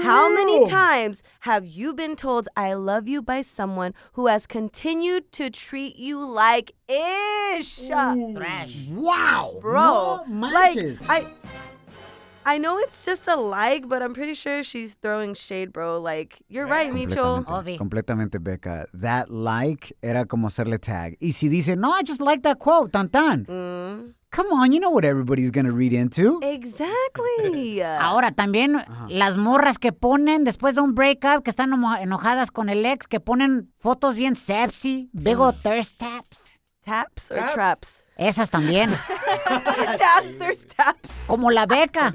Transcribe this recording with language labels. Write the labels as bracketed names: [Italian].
[English] How many times have you been told I love you by someone who has continued to treat you like ish? Ooh. Trash. Wow. Bro. No, like, I know it's just a like, but I'm pretty sure she's throwing shade, bro. Like, you're right, Micho. [Spanish] Completamente, Becca. [English] That like [Spanish] era como hacerle tag. Y si dice, no, [English] I just like that quote, tan tan. Come on, you know what everybody's going to read into. Exactly. [Spanish] Ahora también, las morras que ponen después de un breakup, que están enojadas con el ex, que ponen fotos bien sepsi, [English] big old thirst taps. Taps or traps? [Spanish] Esas también. [English] Taps, there's taps. [Spanish] Como la beca.